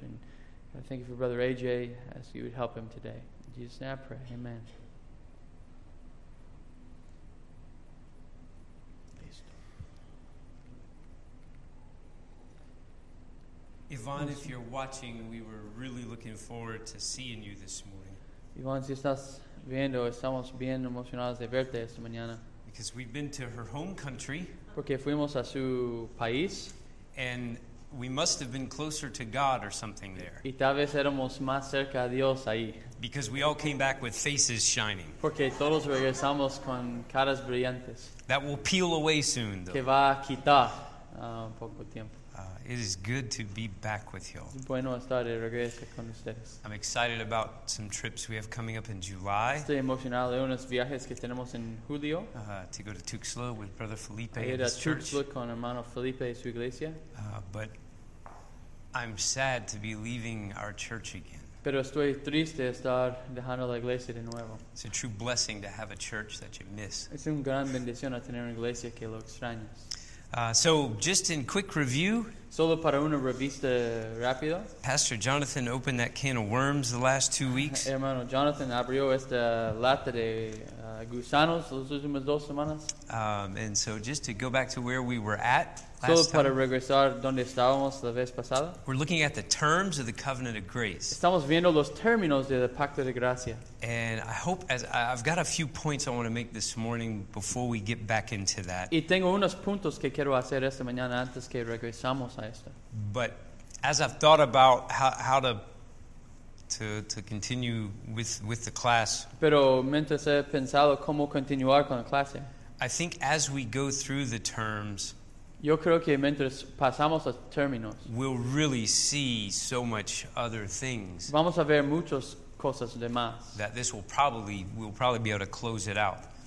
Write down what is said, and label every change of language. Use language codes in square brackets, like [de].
[en] And God, thank you for Brother AJ as you would help him today. In Jesus' name I pray. Amen. Yvonne, if you're watching, we were really looking forward to seeing you this morning. [es] Yvonne, si estás viendo, estamos bien emocionados de verte esta mañana. [en] Because we've been to her home country. [es] Porque fuimos a su país. [en] And we must have been closer to God or something there. [es] Y tal vez éramos más cerca a Dios ahí. [en] Because we all came back with faces shining. [es] Porque todos regresamos con caras brillantes. [en] That will peel away soon, though. [es] Que va a quitar un poco tiempo. [en] It is good to be back with you. [es] Bueno estar de regreso con ustedes. [en] I'm excited about some trips we have coming up in July. Estoy emocionado de unos viajes que tenemos en julio. To go to Tuxtla with Brother Felipe and his church. [es] Ir a Tuxtla con hermano Felipe y su iglesia. [en] But I'm sad to be leaving our church again. [es] Pero estoy triste de estar dejando la iglesia de nuevo. [en] It's a true blessing to have a church that you miss. [es] Es una gran bendición a tener una iglesia que lo extrañas. [en] So, just in quick review, [es] solo para una revista rápida, [en] Pastor Jonathan opened that can of worms the last 2 weeks. [es] Hermano Jonathan abrió esta lata de gusanos las últimas dos semanas. [en] And so, just to go back to where we were at last [es] solo [en] time, [es] para regresar donde estábamos la vez pasada, [en] we're looking at the terms of the covenant of grace. [es] Estamos viendo los términos del pacto de gracia. [en] And I hope, as I've got a few points I want to make this morning before we get back into that. [es] Y tengo unos puntos que quiero hacer esta mañana antes que regresamos a esto. [en] But as I've thought about how to continue with the class. [es] Pero mientras he pensado cómo continuar con la clase. [en] I think as we go through the terms. [es] Yo creo que mientras pasamos los términos. [en] We'll really see so much other things. [es] Vamos a ver muchos cosas demás. [en] That this we'll probably be able to close it out.